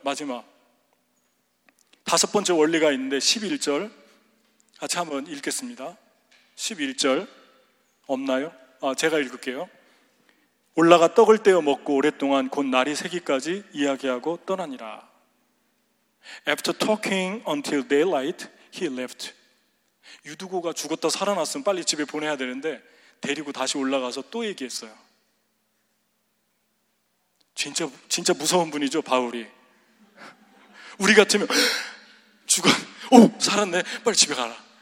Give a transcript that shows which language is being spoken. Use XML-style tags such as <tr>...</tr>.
<ko>마지막 다섯 번째 원리가 있는데 11절 같이 한번 읽겠습니다. 11절 없나요? 아, 제가 읽을게요. 올라가 떡을 떼어 먹고 오랫동안 곧 날이 새기까지 이야기하고 떠나니라.</ko> <en>After talking until daylight, he left.</en> <ko>유두고가 죽었다 살아났으면 빨리 집에 보내야 되는데 데리고 다시 올라가서 또 얘기했어요. 진짜 진짜 무서운 분이죠, 바울이. 우리 같으면 죽어, 오 살았네, 빨리 집에 가라.</ko>